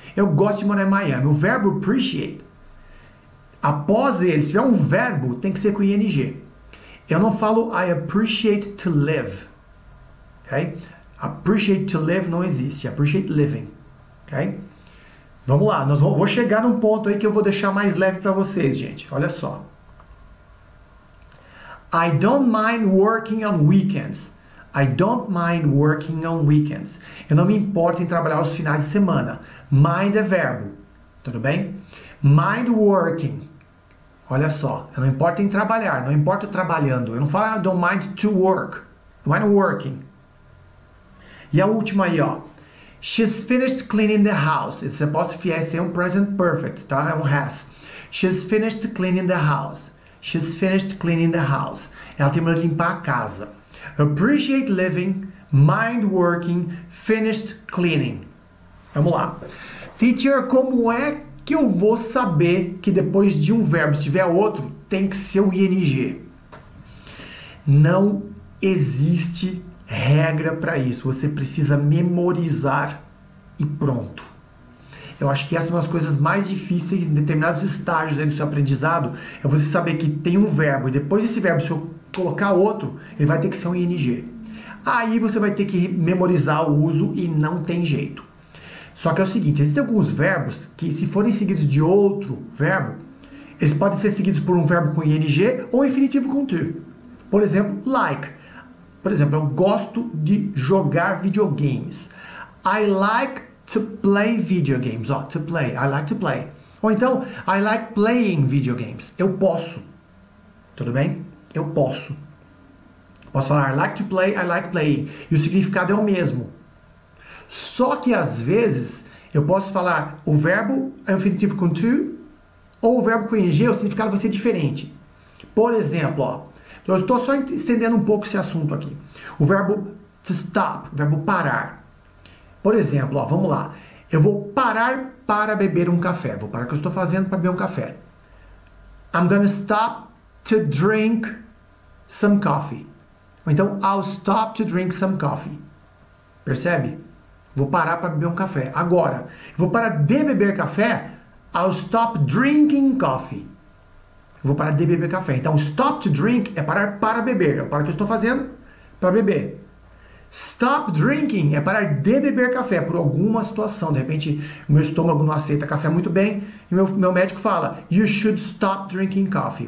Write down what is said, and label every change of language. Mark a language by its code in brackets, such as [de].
[pt] Eu gosto de morar em Miami. O verbo appreciate, após ele, se tiver um verbo, tem que ser com ing. Eu não falo [en] I appreciate to live. Okay? Appreciate to live [pt] não existe. [en] Appreciate living. Okay? [pt] Vamos lá, vou chegar num ponto aí que eu vou deixar mais leve para vocês, gente. Olha só. [en] I don't mind working on weekends. I don't mind working on weekends. [pt] Eu não me importo em trabalhar os finais de semana. Mind é verbo. Tudo bem? [en] Mind working. [pt] Olha só. Eu não importo em trabalhar. Não importo trabalhando. Eu não falo [en] I don't mind to work. Mind working. [pt] E a última aí, ó. [en] She's finished cleaning the house. [pt] Esse apóstrofe S é um present perfect, tá? É um has. [en] She's finished cleaning the house. She's finished cleaning the house. [pt] Ela terminou de limpar a casa. [en] Appreciate living, mind working, finished cleaning. [pt] Vamos lá. Teacher, como é que eu vou saber que depois de um verbo, se tiver outro, tem que ser o ing? Não existe regra para isso. Você precisa memorizar. E pronto. Eu acho que essa é uma das coisas mais difíceis em determinados estágios aí do seu aprendizado, é você saber que tem um verbo e depois desse verbo, se eu colocar outro, ele vai ter que ser um ing. Aí você vai ter que memorizar o uso e não tem jeito. Só que é o seguinte, existem alguns verbos que, se forem seguidos de outro verbo, eles podem ser seguidos por um verbo com ing ou infinitivo com to. Por exemplo, like. Por exemplo, eu gosto de jogar videogames. [en] I like to play video games. Oh, to play. I like to play. [pt] Ou então, [en] I like playing video games. [pt] Eu posso. Tudo bem? Eu posso. Posso falar [en] I like to play, I like playing. [pt] E o significado é o mesmo. Só que às vezes, eu posso falar o verbo é infinitivo com to, ou o verbo com ing, o significado vai ser diferente. Por exemplo, ó. Eu estou só estendendo um pouco esse assunto aqui. O verbo to stop, o verbo parar. Por exemplo, ó, vamos lá. Eu vou parar para beber um café. Vou parar o que eu estou fazendo para beber um café. [en] I'm gonna stop to drink some coffee. [pt] Ou então, [en] I'll stop to drink some coffee. [pt] Percebe? Vou parar para beber um café. Agora, eu vou parar de beber café. [en] I'll stop drinking coffee. [pt] Eu vou parar de beber café. Então, [en] stop to drink [pt] é parar para beber. Eu paro o que eu estou fazendo para beber. [en] Stop drinking [pt] é parar de beber café por alguma situação. De repente, meu estômago não aceita café muito bem e meu médico fala: [en] You should stop drinking coffee.